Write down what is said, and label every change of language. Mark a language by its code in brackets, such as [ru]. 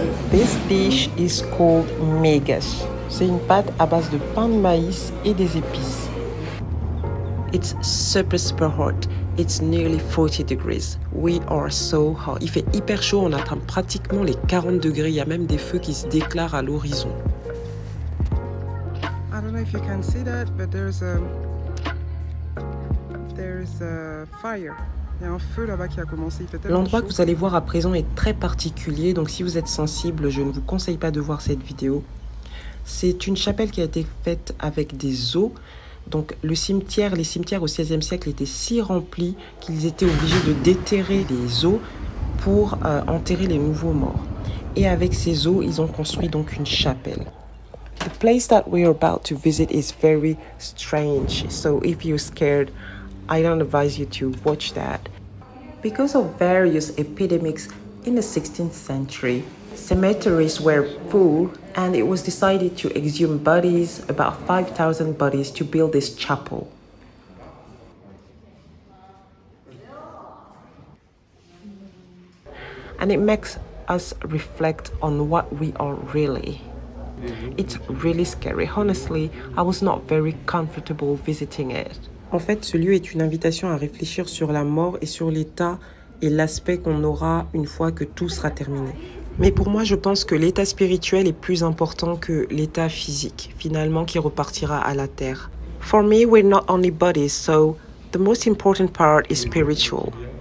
[en] This dish is called migas. [fr] C'est une pâte à base de pain de maïs et des épices. [en] It's super super hot. It's nearly 40 degrees. We are so hot. [fr] Il fait hyper chaud, on atteint pratiquement les 40 degrés. Il y a même des feux qui se déclarent à l'horizon. [en] I don't know if you can see that, but there's a fire. [fr] Il y a un feu là-bas qui a commencé. L'endroit que vous allez voir à présent est très particulier, donc si vous êtes sensible, je ne vous conseille pas de voir cette vidéo. C'est une chapelle qui a été faite avec des os. Donc le cimetière, les cimetières au XVIe siècle étaient si remplis qu'ils étaient obligés de déterrer les os pour enterrer les nouveaux morts. Et avec ces os, ils ont construit donc une chapelle. [en] The place that we are about to visit is very strange. So if you're scared, I don't advise you to watch that. Because of various epidemics in the 16th century, cemeteries were full and it was decided to exhume bodies, about 5,000 bodies, to build this chapel. And it makes us reflect on what we are really. It's really scary. Honestly, I was not very comfortable visiting it. [fr] En fait, ce lieu est une invitation à réfléchir sur la mort et sur l'état et l'aspect qu'on aura une fois que tout sera terminé. Mais pour moi, je pense que l'état spirituel est plus important que l'état physique, finalement, qui repartira à la terre. [en] For me, we're not only bodies, so the most important part is spiritual.